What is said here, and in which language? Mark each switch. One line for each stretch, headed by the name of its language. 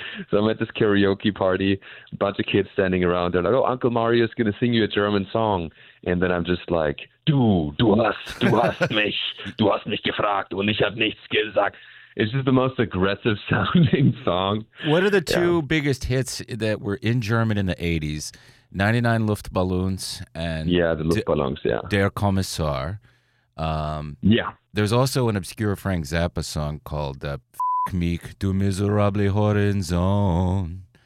English: So I'm at this karaoke party, a bunch of kids standing around. They're like, "Oh, Uncle Mario is going to sing you a German song." And then I'm just like,
German: du hast mich gefragt und ich hab nichts gesagt.
English: It's just the most aggressive sounding song. What are the two biggest hits that were in German in the 80s? 99 Luftballons and The Luftballons, Der Kommissar. There's also an obscure Frank Zappa song called Meek, du miserable Horizon.